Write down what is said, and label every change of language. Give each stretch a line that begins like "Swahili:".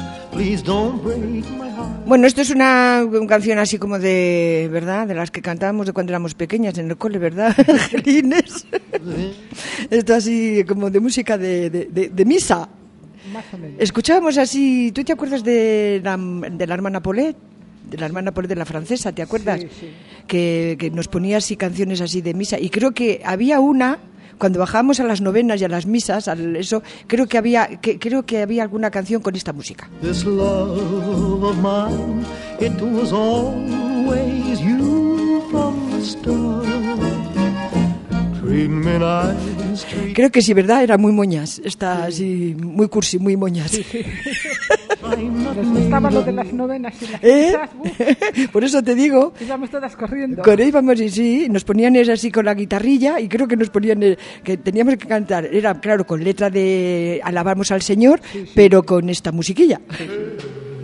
English: Please don't break my heart.
Spanish: Bueno, esto es una canción así como de, ¿verdad? De las que cantábamos de cuando éramos pequeñas en el cole, ¿verdad, Angelines? Esto así como de música de misa. Más o menos. Escuchábamos así, ¿tú te acuerdas de la hermana Paulette? De la hermana Paulette, de la francesa, ¿te acuerdas? Sí, sí. Que nos ponía así canciones así de misa. Y creo que había una... Cuando bajábamos a las novenas y a las misas, creo que había alguna canción con esta música.
English: This love of mine, it was always you from the start. Treat me nice.
Spanish: Creo que sí, ¿verdad? Era muy moñas. Está así, muy cursi, muy moñas. Sí. estaban los de las novenas y las quintas. Por eso te digo. Íbamos todas corriendo. Íbamos y sí, nos ponían así con la guitarrilla y creo que nos ponían, que teníamos que cantar, era claro, con letra de alabamos al Señor, sí, sí, pero con esta musiquilla. Sí, sí.